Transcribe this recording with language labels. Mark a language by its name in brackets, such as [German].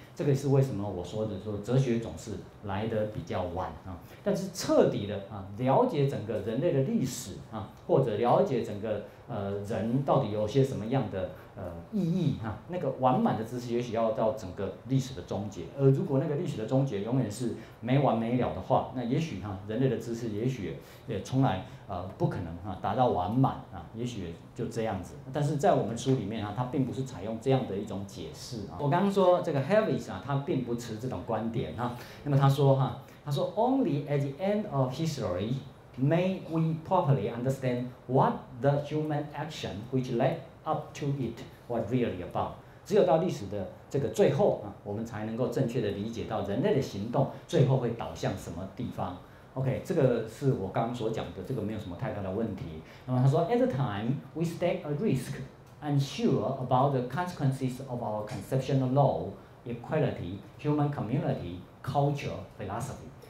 [Chinese] 这个是为什么我说的说哲学总是来得比较晚啊，但是彻底的啊了解整个人类的历史啊，或者了解整个人到底有些什么样的意义啊，那个完满的知识也许要到整个历史的终结，而如果那个历史的终结永远是没完没了的话，那也许人类的知识也许也从来不可能达到完满啊，也许就这样子。但是在我们书里面它并不是采用这样的一种解释啊。我刚刚说这个 Harris 啊，他并不持这种观点啊。那么他说 [English] only at the end of history may we properly understand what the human action which led up to it was really about。 [Chinese] 只有到历史的这个最后啊，我们才能够正确的理解到人类的行动最后会导向什么地方。 OK， 这个是我刚刚所讲的，这个没有什么太大的问题。那么他说 [English] ，At the time we take a risk, unsure about the consequences of our conception of law, equality, human community, culture, philosophy。